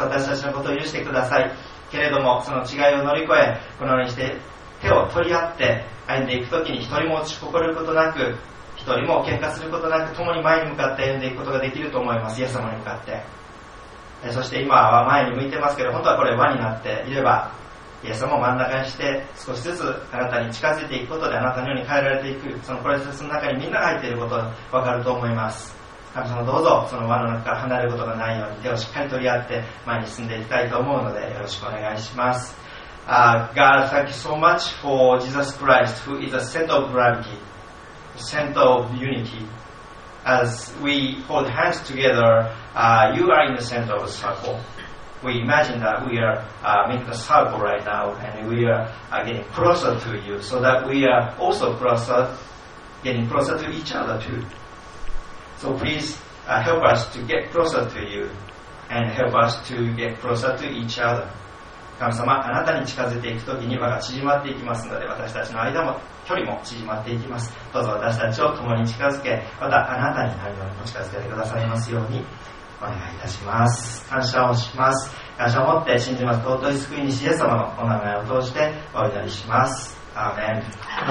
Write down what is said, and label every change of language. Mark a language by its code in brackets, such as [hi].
[ja] 私たちのことを許してくださいけれども、その違いを乗り越え、このようにして手を取り合って歩んでいくときに、一人も落ち誇ることなく、一人も喧嘩することなく、共に前に向かって歩んでいくことができると思います。イエス様に向かって、そして今は前に向いてますけど、本当はこれ輪になっていれば、イエス様を真ん中にして、少しずつあなたに近づいていくことで、あなたのように変えられていく、そのプロセスの中にみんなが入っていることが分かると思います。神様、どうぞその輪の中から離れることがないように、手をしっかり取り合って前に進んでいきたいと思うので、よろしくお願いします。 [en] God, thank you so much for Jesus Christ, who is the center of gravity, center of unity. As we hold hands together, you are in the center of the circleWe imagine that we are making a circle right now, and we are getting closer to you, so that we are also closer, getting closer to each other too. So please help us to get closer to you, and help us to get closer to each other. [ja] 神様、あなたに近づいていくときに輪が縮まっていきますので、私たちの間も距離も縮まっていきます。どうぞ私たちを共に近づけ、またあなたになるように近づけてくださいますように。お願いいたします。感謝をします。感謝を持って信じます。尊い救い主イエス様のお名前を通してお祈りします。アーメン。